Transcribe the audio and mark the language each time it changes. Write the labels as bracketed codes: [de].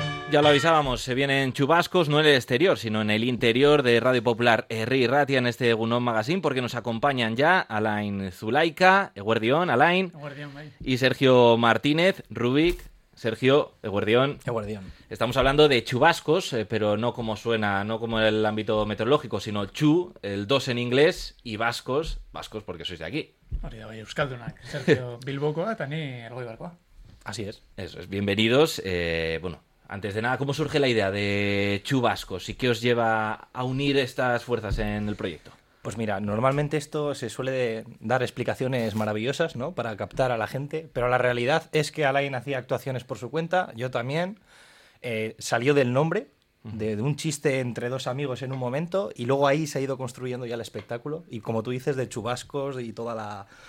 [es] Ya lo avisábamos, se vienen chubascos, no en el exterior, sino en el interior de Radio Popular Herri Irratia en este Egunon Magazine, porque nos acompañan ya Alain Zulaika, eguerdión, Alain, y Sergio Martínez, Rubik, Sergio, eguerdión. [eu] Eguerdión. [es] Estamos hablando de chubascos, pero no como suena, no como en el ámbito meteorológico, sino chu, el dos en inglés, y vascos, vascos porque sois de aquí. [eu] Hori da bai, euskaldunak, Sergio Bilbokoa, tani Ergoi Barkoa. [es] Así es. Eso es, bienvenidos, bueno. Antes de nada, ¿cómo surge la idea de chubascos y qué os lleva a unir estas fuerzas en el proyecto? Pues mira, normalmente esto se suele dar explicaciones maravillosas, ¿no?, para captar a la gente, pero la realidad es que Alain hacía actuaciones por su cuenta, yo también, salió del nombre, de un chiste entre dos amigos en un momento, y luego ahí se ha ido construyendo ya el espectáculo, y como tú dices, de chubascos y toda la...